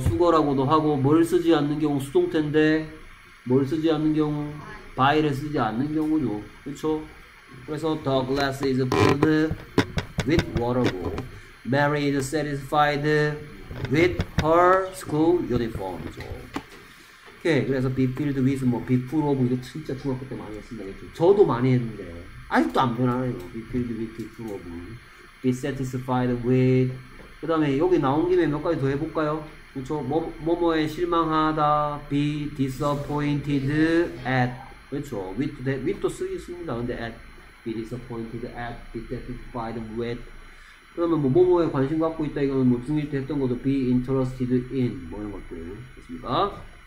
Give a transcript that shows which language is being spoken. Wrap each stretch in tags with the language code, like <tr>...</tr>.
<ko>수거라고도 하고, 뭘 쓰지 않는 경우 수동태인데, 뭘 쓰지 않는 경우? 바이를 쓰지 않는 경우죠. 그렇죠. 그래서</ko> <en>the glass is filled. With water고, Mary is satisfied with her school uniform이죠.</en> <ko>오케이, 그래서</ko> <en>be filled with</en> <ko>뭐</ko> <en>be full of</en> <ko>이거 진짜 중학교 때 많이 했습니다. 그렇죠? 저도 많이 했는데 아직도 안 변하네요.</ko> <en>Be filled with, be full of, be satisfied with.</en> <ko>그다음에 여기 나온 김에 몇 가지 더 해볼까요? 그렇죠. 뭐뭐에 실망하다,</ko> <en>be disappointed at.</en> <ko>그렇죠. With도 쓰겠습니다. 근데 at.</ko> <en>Be disappointed at, be satisfied with.</en> <ko>그러면 뭐뭐에 관심 갖고 있다 이거는 뭐 중1 때 했던 것도</ko> <en>be interested in</en> <ko>뭐 이런 것들 됐습니까?</ko>